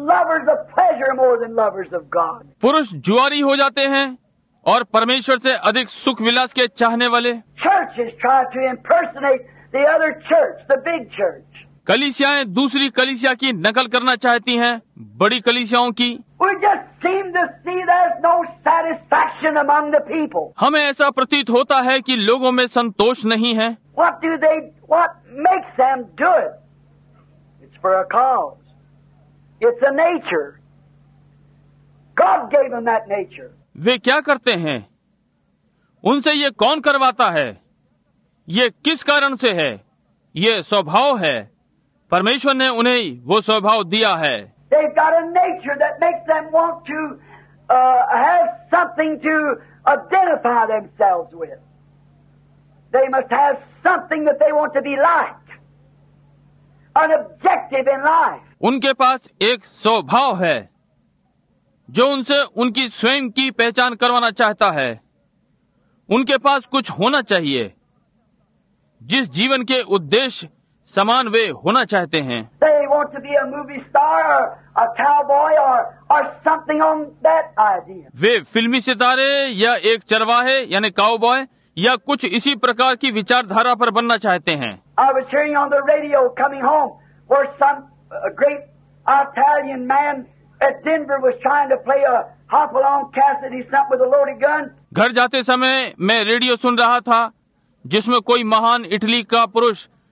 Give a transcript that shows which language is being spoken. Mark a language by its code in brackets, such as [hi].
[hi] पुरुष जुआरी हो जाते हैं और परमेश्वर से अधिक सुख विलास के चाहने वाले। [en] Churches try to impersonate the other church, the big church. [hi] कलीसियाएं दूसरी कलीसिया की नकल करना चाहती हैं, बड़ी कलीसियाओं की। [en] We just seem to see there's no satisfaction among the people. [hi] हमें ऐसा प्रतीत होता है कि लोगों में संतोष नहीं है। [en] What makes them do it? It's for a cause. It's a nature. God gave them that nature. [hi] वे क्या करते हैं? उनसे ये कौन करवाता है? ये किस कारण से है? ये स्वभाव है। परमेश्वर ने उन्हें वो स्वभाव दिया है। [en] They've got a nature that makes them want to have something to identify themselves with. They must have something that they want to be like. An objective in life. [hi] उनके पास एक स्वभाव है जो उनसे उनकी स्वयं की पहचान करवाना चाहता है। उनके पास कुछ होना चाहिए जिस जीवन के उद्देश्य समान वे होना चाहते हैं। [en] They want to be a movie star or a cowboy or something on that idea. [hi] वे फिल्मी सितारे या एक चरवाहे यानी काउबॉय या कुछ इसी प्रकार की विचारधारा पर बनना चाहते हैं। [en] I was hearing on the radio coming home where some great Italian man at Denver was trying to play a Hopalong Cassidy stunt with a loaded gun. [hi] घर जाते समय मैं रेडियो सुन रहा था जिसमें कोई महान इटली का पुरुष